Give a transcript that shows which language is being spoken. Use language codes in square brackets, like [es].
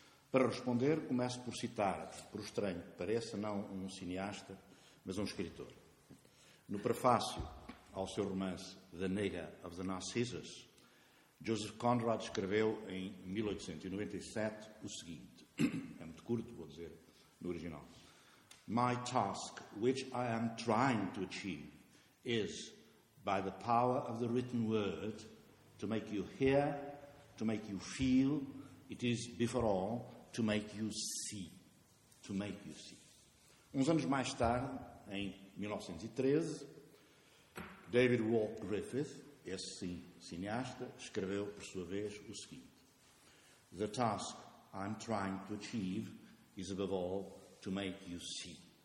[pt] Para responder, começo por citar, por estranho que pareça, não um cineasta, mas um escritor. No prefácio ao seu romance The Nigger of the Narcissus, Joseph Conrad escreveu em 1897 o seguinte. É muito curto, vou dizer no original. [en] My task, which I am trying to achieve, is, by the power of the written word, to make you hear, to make you feel, it is, before all, to make you see. To make you see. [pt] Uns anos mais tarde, em 1913, David Walt Griffith, esse sim, cineasta, escreveu, por sua vez, o seguinte. [en] The task I'm trying to achieve is, above all, to make you see.